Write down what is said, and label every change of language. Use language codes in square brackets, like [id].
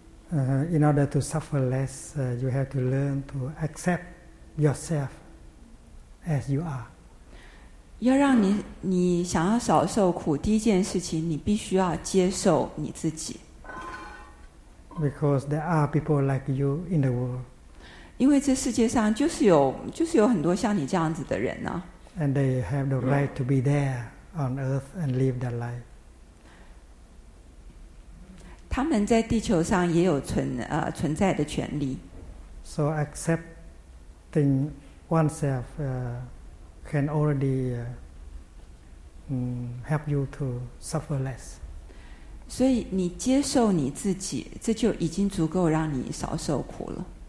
[en] In order to suffer less, you have to learn to accept yourself as you are. [zh] 要让你想要少受苦，第一件事情，你必须要接受你自己。 [en] Because there are people like you in the world. [zh] 因为这世界上就是有就是有很多像你这样子的人呢、啊。 [en] And they have the right to be there on earth and live their life. [zh] 他们在地球上也有存在的权利。 [en] So accepting oneself can already help you to suffer less. [zh] 所以你接受你自己，这就已经足够让你少受苦了。